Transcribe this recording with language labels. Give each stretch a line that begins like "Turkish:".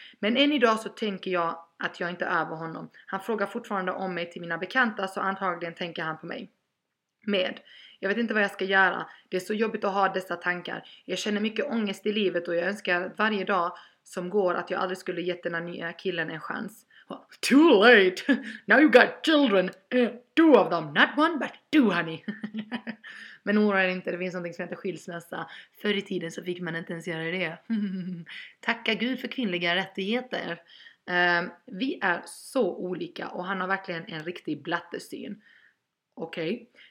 Swedish: Men än idag så tänker jag att jag inte är över honom. Han frågar fortfarande om mig till mina bekanta, så antagligen tänker han på mig. Med. Jag vet inte vad jag ska göra. Det är så jobbigt att ha dessa tankar. Jag känner mycket ångest i livet och jag önskar varje dag som går att jag aldrig skulle gett den här nya killen en chans.
English: Too late! Now you got children! Two of them, not one but two honey!
Swedish: Men oroa inte, det finns någonting som heter skilsmässa. Förr i tiden så fick man inte ens göra det. Tacka Gud för kvinnliga rättigheter. Vi är så olika och han har verkligen en riktig blattesyn. Okej. Okay.